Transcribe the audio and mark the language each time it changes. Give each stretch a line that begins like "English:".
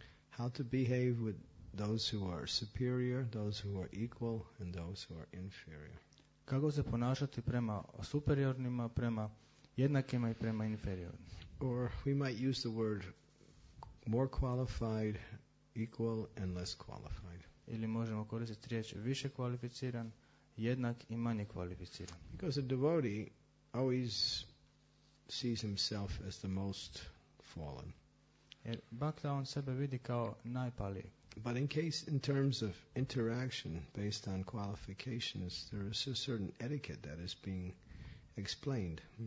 English: How to behave with those who are superior, those who are equal, and those who are inferior.
Croatian: Kako se ponašati prema superiornima, prema jednakima i prema inferiornima.
English: Or we might use the word more qualified, equal, and less qualified.
Croatian: Ili možemo koristiti riječ više kvalificiran, jednak i manje kvalificiran.
English: Because a devotee always sees himself as the most fallen.
Croatian: Jer bhakta on sebe vidi kao najpaliji.
English: But in case, in terms of interaction based on qualifications, there is a certain etiquette that is being explained.